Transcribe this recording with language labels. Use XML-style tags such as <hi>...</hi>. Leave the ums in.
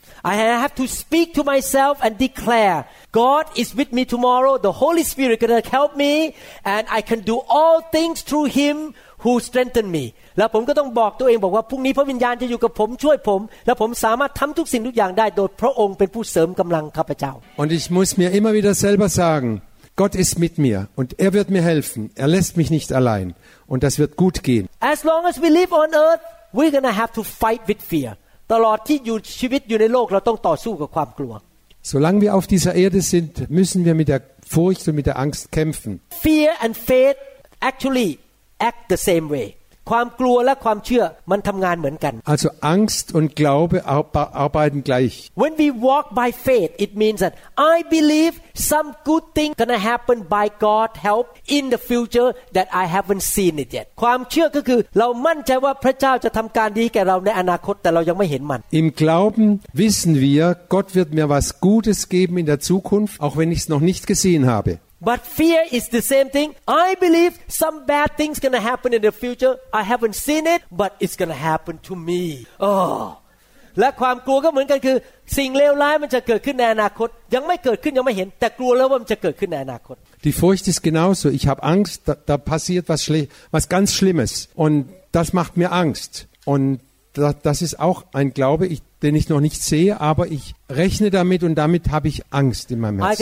<en>I have to speak to myself and declare, God is with me tomorrow. The Holy Spirit is going to help me, and I can do all things through Him who strengthened me.</en> <th>แล้วผมก็ต้องบอกตัวเองบอกว่าพรุ่งนี้พระวิญญาณจะอยู่กับผมช่วยผมและผมสามารถทําทุกสิ่งทุกอย่างได้โดยพระองค์เป็นผู้เสริมกําลังข้าพเจ้า</th> <de>Und ich muss mir immer wieder selber sagen Gott ist mit mir und er wird mir helfen er lässt mich nicht allein und das wird gut gehen</de> <en>As long as we live on earth we're gonna have to fight with fear</en> <th>ตลอดที่อยู่ชีวิตอยู่ในโลกเราต้องต่อสู้กับความกลัว</th> <de>Solange wir auf dieser Erde sind, müssen wir mit der Furcht und mit der Angst kämpfen.</de> <en>Fear and faith actually act the same way.</en> <th>ความกลัวและความเชื่อมันทำงานเหมือนกัน</th> <de>also Angst und Glaube arbeiten gleich</de> <en>when we walk by faith it means that I believe some good thing gonna happen by God help in the future that I haven't seen it yet</en> <th>ความเชื่อก็คือเรามั่นใจว่าพระเจ้าจะทำการดีแก่เราในอนาคตแต่เรายังไม่เห็นมัน</th> <de>im Glauben wissen wir Gott wird mir was Gutes geben in der Zukunft auch wenn ich es noch nicht gesehen habe</de> <en>but fear is the same thing I believe some bad things gonna happen in the future I haven't seen it but it's gonna happen to me oh</en> <th>และความกลัวก็เหมือนกันคือ สิ่งเลวร้ายมันจะเกิดขึ้นในอนาคตยังไม่เกิดขึ้นยังไม่เห็น แต่กลัวแล้วว่ามันจะเกิดขึ้นในอนาค ต</th> <de>Die Furcht ist genauso ich habe Angst da, da passiert was schlimm was ganz schlimmes und das macht mir Angst und Das, das ist auch ein Glaube, ich, den ich noch nicht sehe, aber ich rechne damit und damit habe ich Angst in meinem Herzen.</de>